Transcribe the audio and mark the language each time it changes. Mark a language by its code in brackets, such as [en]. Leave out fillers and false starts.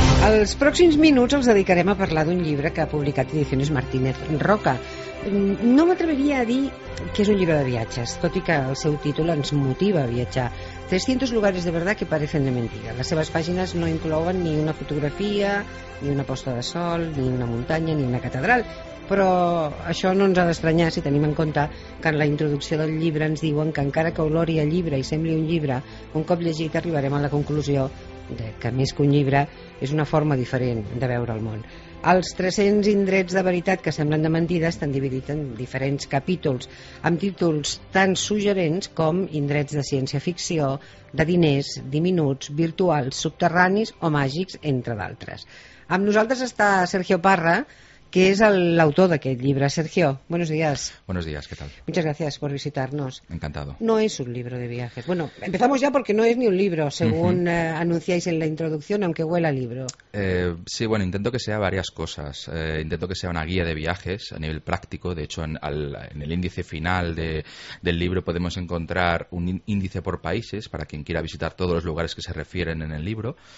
[ca] Els pròxims minuts els dedicarem a parlar d'un llibre que ha publicat Ediciones Martínez Roca. No m'atreveria a dir que és un llibre de viatges, tot i que el seu títol ens motiva a viatjar. [es] 300 lugares de verdad que parecen de mentira. [ca] Les seves pàgines no inclouen ni una fotografia, ni una posta de sol, ni una muntanya, ni una catedral. Però això no ens ha d'estranyar si tenim en compte que en la introducció del llibre ens diuen que encara que olori a llibre i sembli un llibre, un cop llegit arribarem a la conclusió que més que un llibre és una forma diferent de veure el món. Els 300 indrets de veritat que semblen de mentida estan dividits en diferents capítols, amb títols tan suggerents com indrets de ciència-ficció, de diners, diminuts, virtuals, subterranis o màgics, entre d'altres. Amb nosaltres està Sergio Parra, que és l'autor d'aquest llibre. [es] Sergio, buenos días. Buenos días, ¿qué tal? Muchas gracias por visitarnos. Encantado. No es un libro de viajes. Bueno, empezamos ya porque no es ni un libro, según anunciáis en la introducción, aunque huela libro. Sí, bueno, intento que sea varias cosas. Intento que sea una guía de viajes a nivel práctico. De hecho, en el índice final del libro podemos encontrar un índice por países para quien quiera visitar todos los lugares que se refieren en el libro.